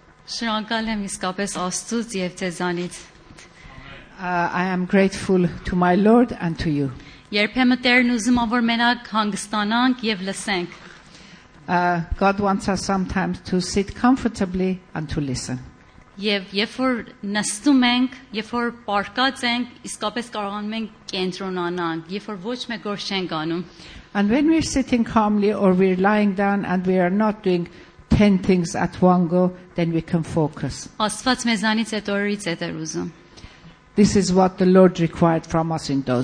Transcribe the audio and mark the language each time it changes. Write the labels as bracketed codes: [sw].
[hy] Շնորհակալեմ իսկապես Աստծուց եւ ձեզանից. [en] I am grateful to my Lord and to you. [hy] Երբեմն Տերն ուզում է որ մենակ հանգստանանք եւ լսենք. [en] God wants us sometimes to sit comfortably and to listen. [hy] Եվ երբ որ նստում ենք, երբ որ պարկած ենք, իսկապես կարողանում ենք կենտրոնանանք, երբ որ ոչ մի գործ չենք անում. [en] And when we're sitting calmly or we're lying down and we are not doing 10 things at one go, then we can focus. [hy] Աստված մեզանից այդ օրից է դեր ուզում. [en] This is what the Lord required from us in those